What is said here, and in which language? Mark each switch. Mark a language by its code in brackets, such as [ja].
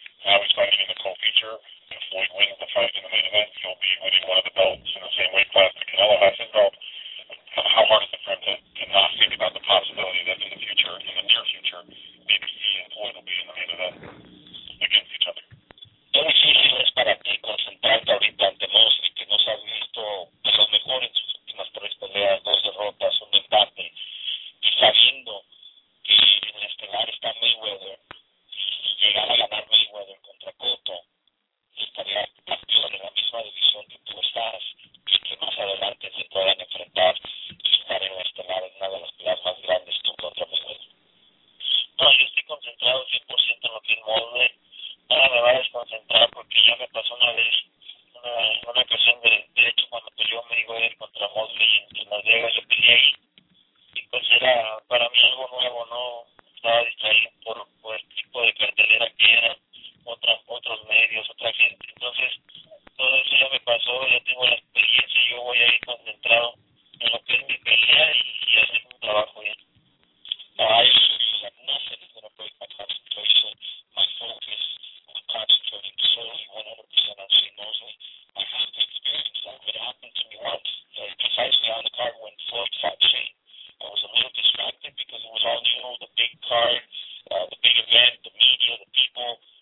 [en] Now he's fighting in the co-feature. If Floyd wins the fight in the main event, he'll be winning one of the belts in the same weight class that Canelo has his belt. How hard is it for him to not think about the possibility that in the future, in the near future, maybe he and Floyd will be in the main event against each other? [es] Qué difícil es para ti concentrarte ahorita ante Mosley, que no se ha visto pues, lo mejor en sus últimas tres peleas, dos derrotas, un empate, y sabiendo que en el estelar está Mayweather, si llegara a ganar Mayweather contra Cotto, estaría campeón en la misma división que tú estás, y que más adelante se puedan enfrentar y estar en el estelar en una de las peleas más grandes tú contra Mayweather. No, yo estoy concentrado 100% en lo que es Mosley. Ahora me va a desconcentrar porque ya me pasó una vez, una ocasión de hecho, cuando peleó Mayweather contra Mosley en Las Vegas, yo peleé ahí. Y pues era para mí algo nuevo, ¿no? Estaba distraído por el tipo de cartelera que era, otros medios, otra gente. Entonces, todo eso ya me pasó, ya tengo la experiencia y yo voy ahí concentrado en lo que es mi pelea y hacer un trabajo bien. Ay, no sé si voy a perder mi concentración. [en] My focus, I'm concentrating solely 100% on Shane Mosley. I have the experience of it happened to me once, precisely on the card when Floyd fought Shane. I was a little distracted because it was all new, the big card, the big event, the media, the people,